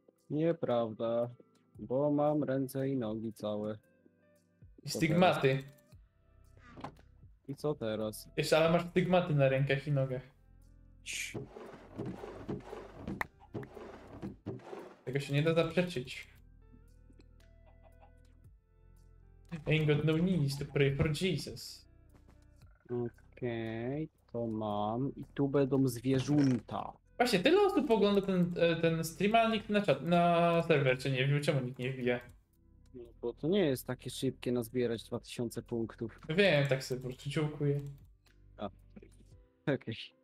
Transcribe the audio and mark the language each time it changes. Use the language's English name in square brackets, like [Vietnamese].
[Polish] Nieprawda. Bo mam ręce i nogi całe. I stygmaty. I co teraz? Jeszcze, ale masz stygmaty na rękach i nogach. Tego się nie da zaprzeczyć. [English] Ain't got no knees to pray for Jesus. [Polish] Okej, to mam. I tu będą zwierzęta. Właśnie, tyle osób ogląda ten stream, ale nikt na serwer czy nie wie, czemu nikt nie wie. No bo to nie jest takie szybkie nazbierać 2000 punktów. Wiem, tak sobie po prostu dziękuję. A, okej.